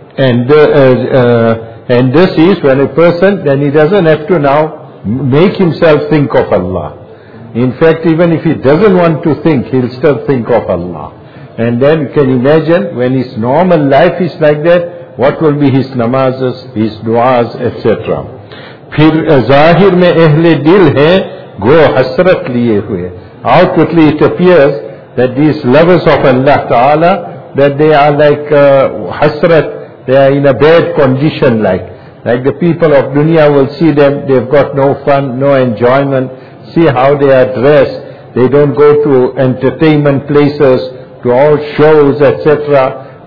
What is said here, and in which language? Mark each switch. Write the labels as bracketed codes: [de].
[en] And this is when a person, then he doesn't have to now make himself think of Allah. In fact, even if he doesn't want to think, he'll still think of Allah. And then you can imagine, when his normal life is like that, what will be his namazes, his duas, etc. [ur] پھر ظاہر میں اہل دل ہیں گو حسرت لیے ہوئے. [en] Outwardly it appears that these lovers of Allah Ta'ala, that they are like حسرت, they are in a bad condition, like the people of dunya will see them, they've got no fun, no enjoyment. See how they are dressed, they don't go to entertainment places, to all shows, etc.